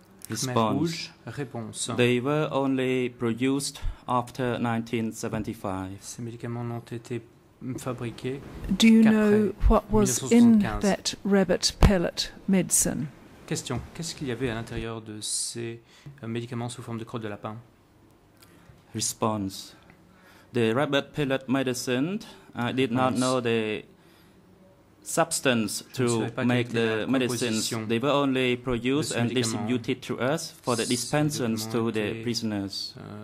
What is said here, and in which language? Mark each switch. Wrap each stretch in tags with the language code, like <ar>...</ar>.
<en>Response. They were only produced after 1975.</en> <fr>Ces médicaments n'ont été fabriqués.</fr> <en>Do you know what was in that rabbit pellet medicine? Question.</en> <fr>Qu'est-ce qu'il y avait à l'intérieur de ces médicaments sous forme de crotte de lapin?</fr> <en>Response. The rabbit pellet medicine, I did not know the substance to make the medicines. They were only produced and distributed to us for the dispensers to the prisoners.</en>